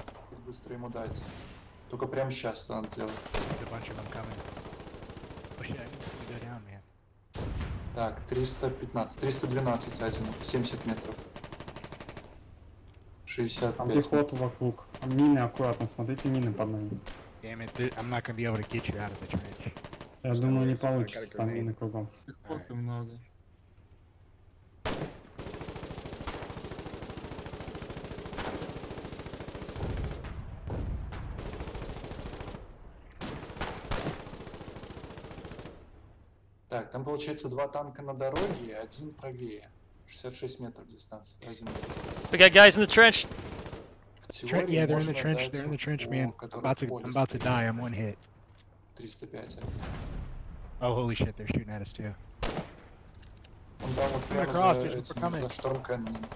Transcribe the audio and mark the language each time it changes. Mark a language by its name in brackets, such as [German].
[Russian] He's быстрее ему дать. Только прямо сейчас надо делать. [English] There's a bunch of them coming. Okay, go down, man. [Russian] Так, 315, 312 азимут, 70 метров. 65. Там пехота вокруг. Мины аккуратно, смотрите мины под нами. [English] Damn it, I'm not gonna be able to get you out of the trench. [Russian] Я думаю, не получится, там мины кругом. Пехоты много. Так, там получается два танка на дороге, один правее. 66 метров дистанции. [English] We got guys in the trench. Yeah, they're in the trench, they're in the trench, man. I'm about to die, I'm one hit. 305. Oh, holy shit, they're shooting at us too. Coming across, there's people coming.